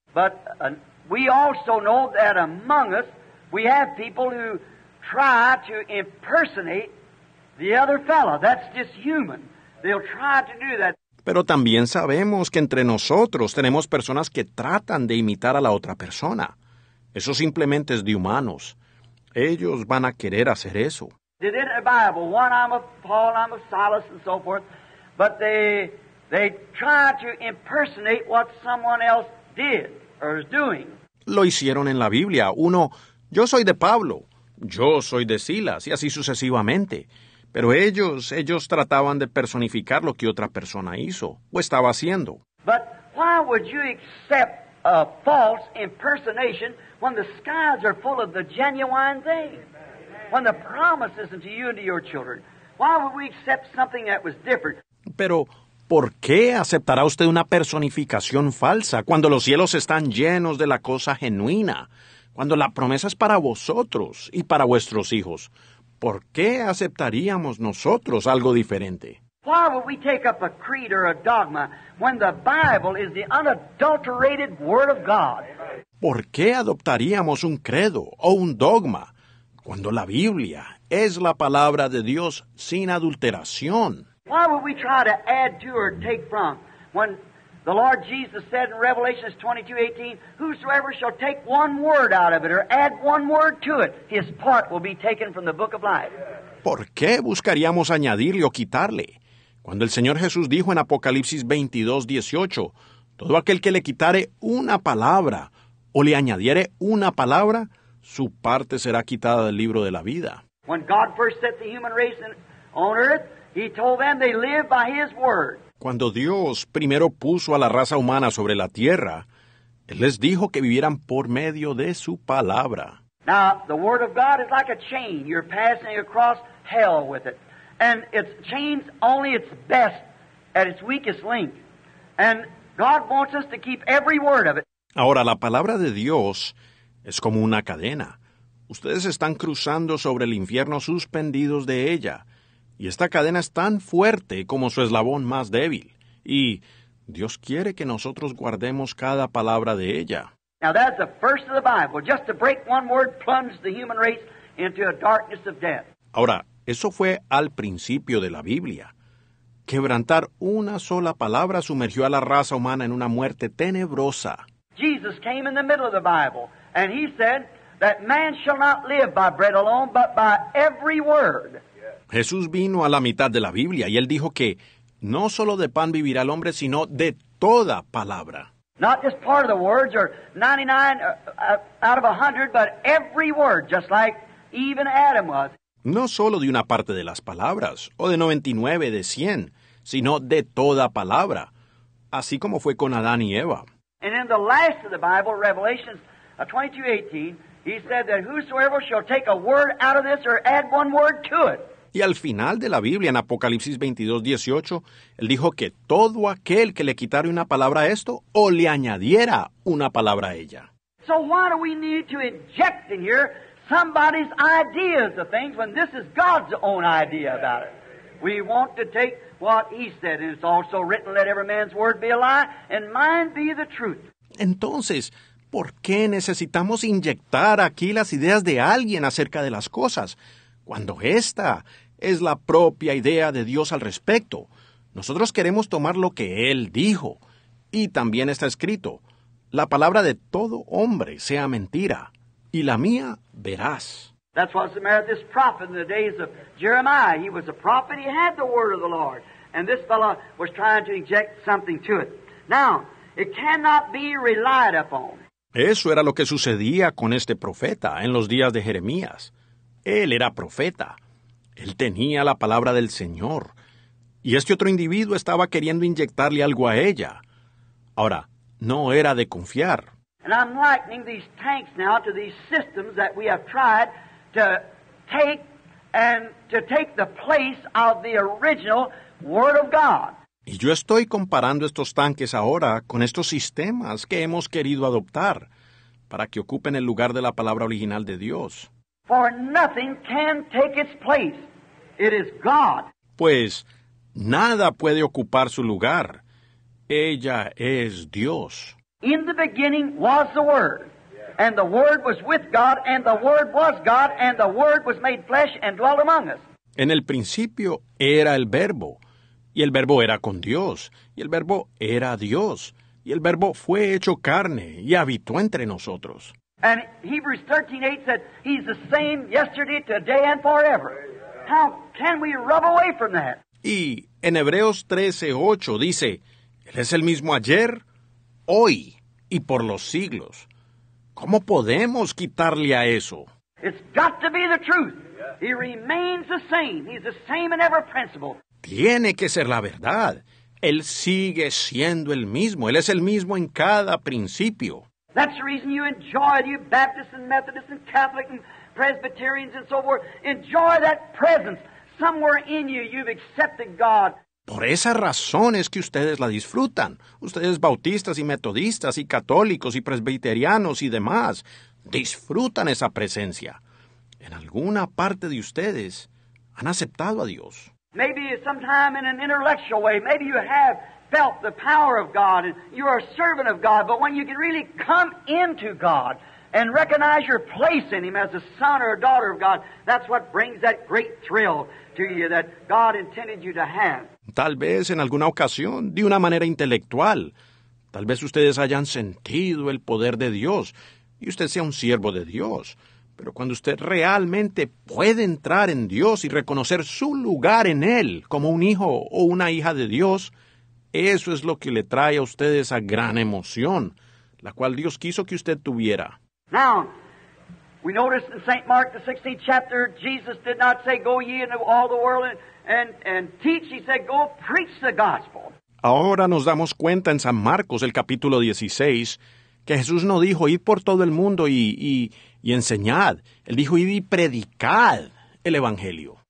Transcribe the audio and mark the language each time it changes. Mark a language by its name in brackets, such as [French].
[English] But we also know that among us, we have people who try to impersonate the other fellow. That's just human. They'll try to do that. [Spanish] Pero también sabemos que entre nosotros tenemos personas que tratan de imitar a la otra persona. Eso simplemente es de humanos. Ellos van a querer hacer eso. [English] They did it in the Bible. One, I'm a Paul, I'm a Silas, and so forth. But they try to impersonate what someone else did or is doing. [Spanish] Lo hicieron en la Biblia. Uno, yo soy de Pablo, yo soy de Silas, y así sucesivamente. Pero ellos trataban de personificar lo que otra persona hizo o estaba haciendo. [English] But why would you accept a false impersonation when the skies are full of the genuine thing? When the promise isn't to you and to your children. Why would we accept something that was different? [Spanish] Pero, ¿por qué aceptará usted una personificación falsa cuando los cielos están llenos de la cosa genuina? Cuando la promesa es para vosotros y para vuestros hijos. ¿Por qué aceptaríamos nosotros algo diferente? [English] Why would we take up a creed or a dogma when the Bible is the unadulterated Word of God? [Spanish] ¿Por qué adoptaríamos un credo o un dogma cuando la Biblia es la palabra de Dios sin adulteración? [English] Why would we try to add to or take from when the Lord Jesus said in Revelation 22:18, whosoever shall take one word out of it or add one word to it, his part will be taken from the book of life? [Spanish] ¿Por qué buscaríamos añadirle o quitarle? Cuando el Señor Jesús dijo en Apocalipsis 22:18, todo aquel que le quitare una palabra o le añadiere una palabra, su parte será quitada del libro de la vida. [English] When God first set the human race on earth, he told them they live by his word. [Spanish] Cuando Dios primero puso a la raza humana sobre la tierra, Él les dijo que vivieran por medio de su palabra. [English] Now, the word of God is like a chain. You're passing across hell with it. And it's chains only its best at its weakest link. And God wants us to keep every word of it. [Spanish] Ahora, la palabra de Dios es como una cadena. Ustedes están cruzando sobre el infierno suspendidos de ella. Y esta cadena es tan fuerte como su eslabón más débil. Y Dios quiere que nosotros guardemos cada palabra de ella. [English] Now that's the first of the Bible. Just to break one word plunged the human race into a darkness of death. [Spanish] Ahora, eso fue al principio de la Biblia. Quebrantar una sola palabra sumergió a la raza humana en una muerte tenebrosa. [English] Jesus came in the middle of the Bible, and he said that man shall not live by bread alone, but by every word. [Spanish] Jesús vino a la mitad de la Biblia, y él dijo que no solo de pan vivirá el hombre, sino de toda palabra. [English] Not just part of the words, or 99 out of 100, but every word, just like even Adam was. [Spanish] No solo de una parte de las palabras, o de 99 de 100, sino de toda palabra, así como fue con Adán y Eva. [English] And in the last of the Bible, Revelation 22:18, he said that whosoever shall take a word out of this or add one word to it. [Spanish] Y al final de la Biblia, en Apocalipsis 22:18, él dijo que todo aquel que le quitara una palabra a esto o le añadiera una palabra a ella. [English] So why do we need to inject in here somebody's ideas of things when this is God's own idea about it? We want to take what he said, and it's also written, let every man's word be a lie, and mine be the truth. [Spanish] Entonces, ¿por qué necesitamos inyectar aquí las ideas de alguien acerca de las cosas, cuando esta es la propia idea de Dios al respecto? Nosotros queremos tomar lo que Él dijo, y también está escrito, la palabra de todo hombre sea mentira, y la mía verás. [English] That's what Samaria, this prophet, in the days of Jeremiah, he was a prophet, he had the word of the Lord, and this fellow was trying to inject something to it. Now, it cannot be relied upon. [Spanish] Eso era lo que sucedía con este profeta en los días de Jeremías. Él era profeta. Él tenía la palabra del Señor. Y este otro individuo estaba queriendo inyectarle algo a ella. Ahora, no era de confiar. [English] And I'm likening these tanks now to these systems that we have tried to take and to take the place of the original Word of God. [Spanish] Y yo estoy comparando estos tanques ahora con estos sistemas que hemos querido adoptar para que ocupen el lugar de la palabra original de Dios. [English] For nothing can take its place. It is God. [Spanish] Pues nada puede ocupar su lugar. Ella es Dios. [English] In the beginning was the Word. And the Word was with God, and the Word was God, and the Word was made flesh and dwelt among us. [Spanish] En el principio era el Verbo, y el Verbo era con Dios, y el Verbo era Dios, y el Verbo fue hecho carne y habitó entre nosotros. [English] And Hebrews 13:8 said, he's the same yesterday, today, and forever. How can we rub away from that? [Spanish] Y en Hebreos 13:8 dice, él es el mismo ayer, hoy, y por los siglos. ¿Cómo podemos quitarle a eso? [English] It's got to be the truth. He remains the same. He's the same in every principle. [Spanish] Tiene que ser la verdad. Él sigue siendo el mismo. Él es el mismo en cada principio. [English] That's the reason you enjoy, you Baptists and Methodists and Catholics and Presbyterians and so forth. Enjoy that presence. Somewhere in you, you've accepted God. [Spanish] Por esa razón es que ustedes la disfrutan. Ustedes bautistas y metodistas y católicos y presbiterianos y demás, disfrutan esa presencia. En alguna parte de ustedes han aceptado a Dios. [English] Maybe sometime in an intellectual way, maybe you have felt the power of God and you are a servant of God, but when you can really come into God, and recognize your place in Him as a son or a daughter of God. That's what brings that great thrill to you that God intended you to have. [Spanish] Tal vez en alguna ocasión, de una manera intelectual, tal vez ustedes hayan sentido el poder de Dios y usted sea un siervo de Dios. Pero cuando usted realmente puede entrar en Dios y reconocer su lugar en Él como un hijo o una hija de Dios, eso es lo que le trae a usted esa gran emoción, la cual Dios quiso que usted tuviera. [English] Now, we notice in St. Mark, the 16th chapter, Jesus did not say, go ye into all the world and teach. He said, go preach the gospel. [Spanish] Ahora nos damos cuenta en San Marcos, el capítulo 16, que Jesús no dijo, id por todo el mundo y enseñad. Él dijo, id y predicad el Evangelio.